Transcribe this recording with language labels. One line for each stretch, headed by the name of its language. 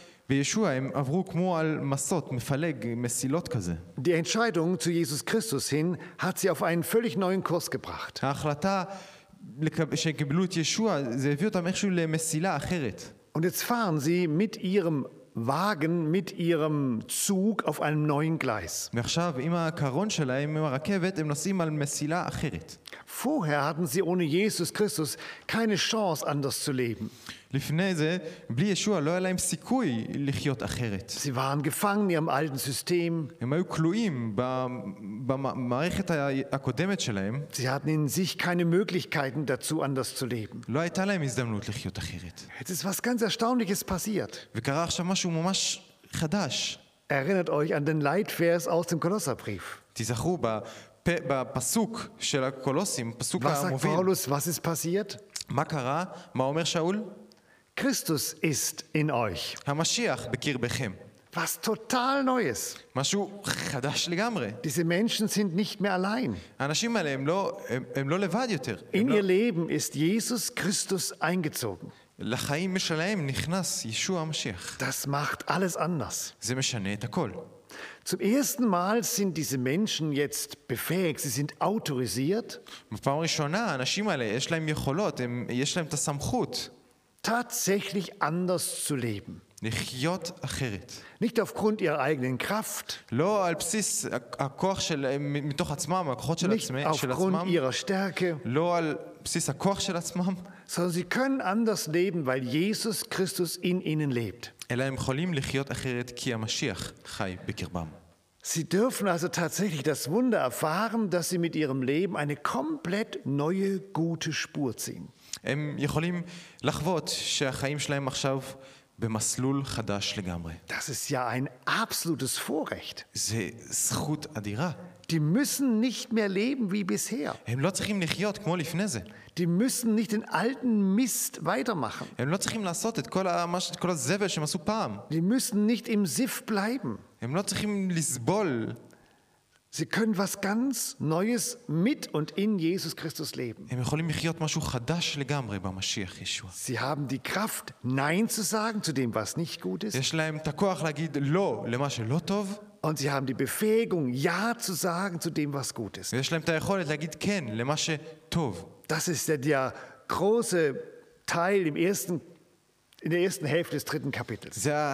Hebrew: בישוע הם עברו כמו על מסות, מפלג, מסילות כזה.
German: Die Entscheidung zu Jesus Christus hin hat sie auf einen völlig neuen Kurs gebracht.
Hebrew: ההחלטה שקיבלו את ישוע, זה הביא אותם איכשהו למסילה אחרת.
German: Und jetzt fahren sie mit ihrem Wagen, mit ihrem Zug auf einem neuen Gleis.
Hebrew: ועכשיו, עם הקרון שלהם, עם הרכבת, הם נוסעים על מסילה אחרת.
German: Vorher hatten sie ohne Jesus Christus keine Chance, anders zu leben.
Hebrew: לפני זה, בלי ישוע, לא היה להם סיכוי לחיות אחרת.
German: Sie waren gefangen in ihrem alten System.
Hebrew: הם היו כלואים במערכת הקודמת שלהם.
German: Sie hatten in sich keine Möglichkeiten dazu, anders zu leben.
Hebrew: לא הייתה להם הזדמנות לחיות אחרת.
German: Jetzt ist was ganz Erstaunliches passiert.
Hebrew: וקרה עכשיו משהו ממש חדש.
German: Erinnert euch an den Leitvers aus dem Kolosserbrief.
Hebrew: תזכרו בפסוק של הקולוסים, פסוק המוביל.
German: Was sagt Paulus, was ist passiert?
Hebrew: מה קרה? מה אומר שאול?
German: Christus ist in euch.
Hebrew: המשיח בקיר בכם.
German: Was total Neues.
Hebrew: משהו חדש לגמרי.
German: Diese Menschen sind nicht mehr allein.
Hebrew: האנשים האלה הם לא לבד יותר.
German: In ihr Leben ist Jesus Christus eingezogen.
Hebrew: לחיים משלהם נכנס ישוע המשיח.
German: Das macht alles anders.
Hebrew: זה משנה את הכל.
German: Zum ersten Mal sind diese Menschen jetzt befähigt, sie sind autorisiert.
Hebrew: בפעם ראשונה, האנשים האלה, יש להם יכולות, יש להם את הסמכות.
German: Tatsächlich anders zu leben.
Hebrew: לחיות אחרת.
German: Nicht aufgrund ihrer eigenen Kraft.
Hebrew: לא על בסיס הכוח של, מתוך עצמם, הכוחות של עצמם.
German: Nicht aufgrund ihrer Stärke.
Hebrew: לא על בסיס הכוח של עצמם.
German: Sondern sie können anders leben, weil Jesus Christus in ihnen lebt.
Hebrew: אלא הם יכולים לחיות אחרת כי המשיח חי בקרבם.
German: Sie dürfen also tatsächlich das Wunder erfahren, dass sie mit ihrem Leben eine komplett neue, gute Spur ziehen.
Hebrew: הם יכולים לחוות שהחיים שלהם עכשיו במסלול חדש לגמרי.
German: Das ist ja ein absolutes Vorrecht.
Hebrew: זה זכות אדירה.
German: Die müssen nicht mehr leben wie bisher.
Hebrew: הם לא צריכים לחיות כמו לפני זה.
German: Die müssen nicht den alten Mist weitermachen.
Hebrew: הם לא צריכים לעשות את כל הזבל שהם עשו פעם.
German: Die müssen nicht im Siff bleiben.
Hebrew: הם לא צריכים לסבול.
German: Sie können was ganz Neues mit und in Jesus Christus leben.
Hebrew: הם יכולים לחיות משהו חדש לגמרי במשיח ישוע.
German: Sie haben die Kraft, Nein zu sagen zu dem, was nicht gut ist.
Hebrew: יש להם את הכוח להגיד לא למה שלא טוב.
German: Und sie haben die Befähigung, Ja zu sagen zu dem, was gut ist. Das ist der große Teil im ersten, in der ersten Hälfte des dritten Kapitels.